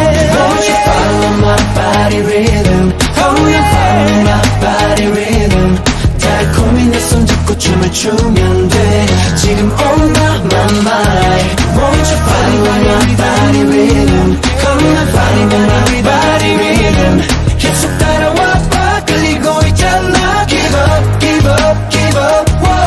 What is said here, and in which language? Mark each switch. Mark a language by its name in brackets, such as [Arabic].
[English] Won't you follow my body rhythm? Oh yeah. Follow my body rhythm. [Korean] 달콤히 내 손 잡고 춤을 추면 돼. 지금 [English] on my, my mind. Won't you follow my body rhythm? Come and follow my body rhythm. [Korean] 계속 따라와 봐, 끌리고 있잖아. [English] Give up, give up, give up, whoa.